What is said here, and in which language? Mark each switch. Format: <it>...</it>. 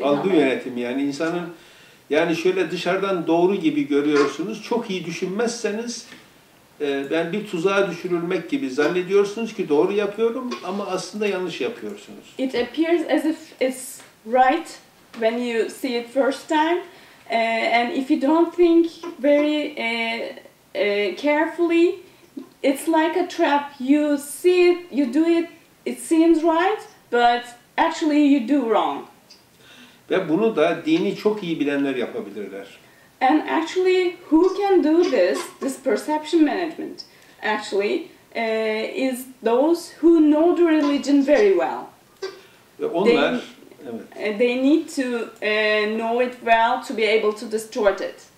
<tr>Algı yönetimi yani insanın, yani şöyle dışarıdan doğru gibi görüyorsunuz. Çok iyi düşünmezseniz, yani bir tuzağa düşürülmek gibi zannediyorsunuz ki doğru yapıyorum ama aslında yanlış yapıyorsunuz.</tr> <en>It appears as if it's right when you see it first time, and if you don't think very carefully, it's like a trap. You see it, you do it, it seems right, but actually you do wrong.</en> <tr>Ve bunu da dini çok iyi bilenler yapabilirler.</tr> <en>And actually, who can do this perception management, actually, is those who know the religion very well.</en> <tr>Ve onlar,</tr> <en>they,</en> <tr>evet.</tr> <en>They need to know it well to be able to distort it.</en>